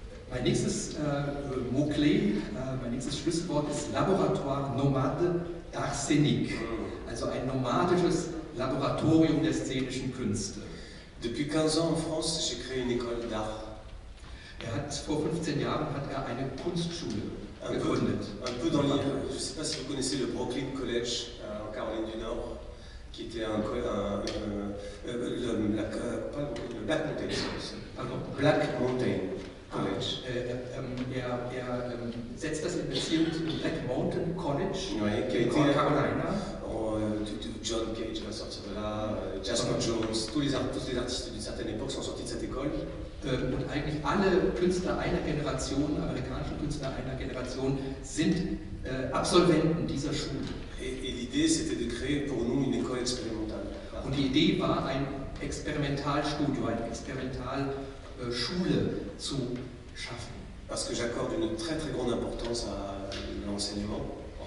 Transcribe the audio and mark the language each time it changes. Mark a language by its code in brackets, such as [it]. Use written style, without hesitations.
[de] Mein nächstes Mot-clé, mein nächstes Schlüsselwort ist Laboratoire Nomade d'Arsenic. Also ein nomadisches Laboratorium der szenischen Künste. [fr] Depuis 15 ans en France, j'ai créé une école d'art. [de] Er hat vor 15 Jahren hat er eine Kunstschule gegründet. [fr] Un peu dans l'Ile. Je ne sais pas si vous connaissez le Brooklyn College en Caroline du Nord, qui était le Black Mountain. Pardon. Black Mountain College. [de] Setzt das in Beziehung zu Black Mountain College in Carolina. [fr] John Cage va sortir de là, Jasper Jones, tous les artistes d'une certaine époque sont sortis de cette école. [de] Et eigentlich alle Künstler einer Generation, amerikanischen Künstler einer Generation, sind Absolventen dieser Schule. [fr] Et l'idée c'était de créer pour nous une école expérimentale. [de] Und die Idee war, ein Experimentalstudio, eine Experimentalschule zu schaffen. [fr] Parce que j'accorde une très très grande importance à l'enseignement.